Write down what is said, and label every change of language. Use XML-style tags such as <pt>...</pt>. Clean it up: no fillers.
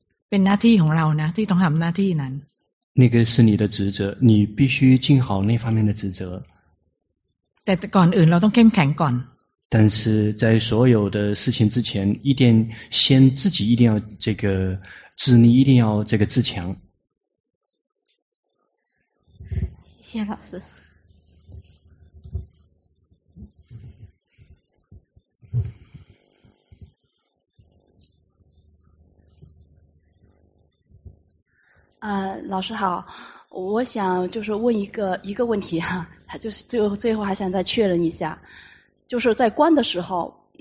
<th>เป็นหน้าที่ของเรานะที่ต้องทำหน้าที่นั้น</th> <zh>那个是你的职责你必须尽好那方面的职责</zh> <th>แต่ก่อนอื่นเราต้องเข้มแข็งก่อน</th> <zh>但是在所有的事情之前一定先自己一定要这个自立一定要这个自强谢谢老师老师好我想就是问一个问题哈、啊，就是最后还想再确认一下，就是在观的时候，</zh>